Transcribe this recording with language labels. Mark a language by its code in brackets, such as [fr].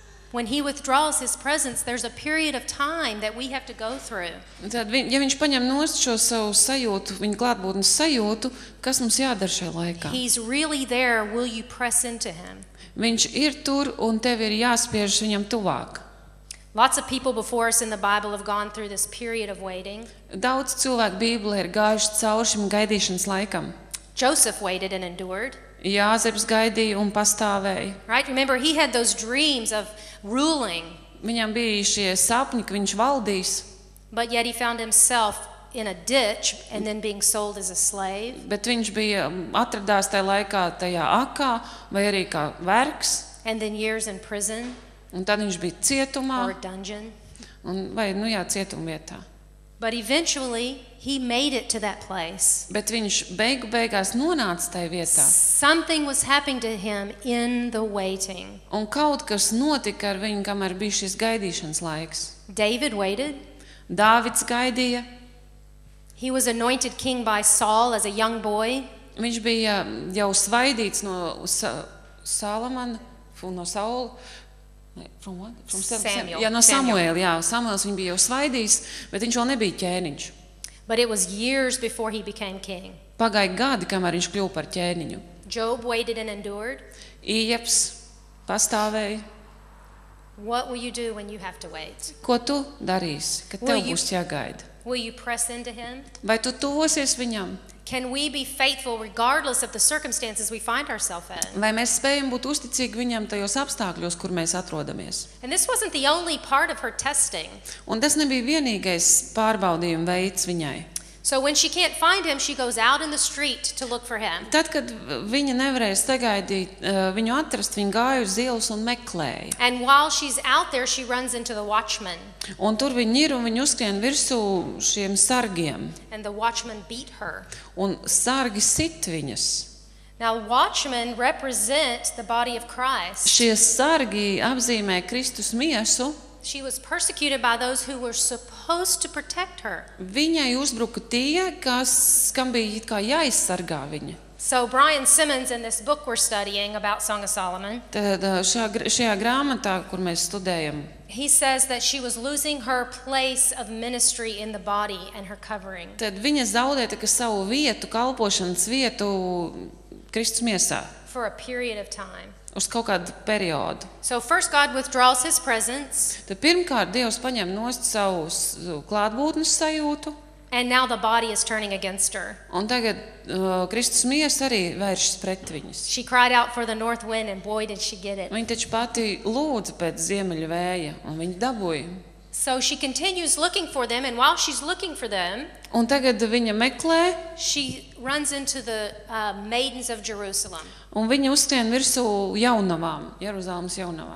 [en] When he withdraws his presence, there's a period of time that we have to go through. [lv] Tad, ja viņš paņem nost šo savu sajūtu, viņa klātbūtnes sajūtu, kas mums jādara šajā laikā? [en] He's really there, will you press into him? [lv] Viņš ir tur, un tev ir jāspiežas viņam tuvāk. [en] Lots of people before us in the Bible have gone through this period of waiting. [lv] Daudz cilvēku Bībelē ir gājuši caur šim gaidīšanas laikam. [en] Joseph waited and endured. [lv] Jāzeps gaidīja un pastāvēja. [en] Right, remember he had those dreams of ruling. [lv] Viņam bija šie sapņi, ka viņš valdīs. [en] But yet he found himself in a ditch and then being sold as a slave. [lv] Bet viņš bija atradās tajā laikā tajā akā vai arī kā vergs. [en] And then years in prison. [lv] Un tad viņš bija cietumā. [en] Or dungeon. [lv] Un vai nu jā, cietumvietā. [en] But eventually he made it to that place. [lv] Bet viņš beigās nonāca tajā vietā. [en] Something was happening to him in the waiting. [lv] Un kaut kas notika ar viņu, kamēr bija šis gaidīšanas laiks. [en] David waited. [lv] Dāvids gaidīja. [en] He was anointed king by Saul as a young boy. [lv] Viņš bija jau svaidīts no Salamana, no Saula. [en] From what? From Samuel. [lv] Ja, no Samuel, jā. Samuels viņš bija jau svaidījis, bet viņš vēl nebija ķēniņš. [en] But it was years before he became king. [lv] Pagāja gadi, kamēr viņš kļuva par ķēniņu. [en] Job waited and endured. [lv] Ieps pastāvēja. [en] What will you do when you have to wait? [lv] Ko tu darīsi, kad tev būs jāgaida? [en] Will you press into him? [lv] Vai tu tuvosies viņam? [en] Can we be faithful regardless of the circumstances we find ourselves in? [lv] Vai mēs spējam būt uzticīgi viņam tajos apstākļos, kur mēs atrodamies? [en] And this wasn't the only part of her testing. [lv] Un tas nebija vienīgais pārbaudījuma veids viņai. [en] So when she can't find him, she goes out in the street to look for him. [lv] Tad, kad viņa nevarēja sagaidīt viņu atrast, viņa gāja uz ielas un meklēja. [en] And while she's out there, she runs into the watchman. [lv] Un tur viņa ir, un viņa uzskrien virsū šiem sargiem. [en] And the watchman beat her. [lv] Un sargi sit viņas. [en] Now watchmen represent the body of Christ. [lv] Šie sargi apzīmē Kristus miesu. [en] She was persecuted by those who were supposed to protect her. [lv] Viņai uzbruka tie, kam bija it kā jāaizsargā viņa. [en] So Brian Simmons in this book we're studying about Song of Solomon. [lv] Tad šajā grāmatā, kur mēs studējam. [en] He says that she was losing her place of ministry in the body and her covering. [lv] Tad viņa zaudēja tikai savu vietu, kalpošanas vietu Kristus miesā. [en] For a period of time. [lv] Uz kaut kādu periodu. [en] So first God withdraws his presence. [lv] Tad pirmkārt Dievs paņem nost savu klātbūtnes sajūtu. [en] And now the body is turning against her. [lv] Un tagad Kristus miesa arī vēršas pret viņas. [en] She cried out for the north wind and boy did she get it. [lv] Viņa taču pati lūdza pēc ziemeļu vēja un viņa dabūja. [en] So she continues looking for them and while she's looking for them, [lv] un tagad viņa meklē, [en] she runs into the maidens of Jerusalem. [lv] Un viņa uzskrien virsū jaunavām, Jeruzalemas jaunavām.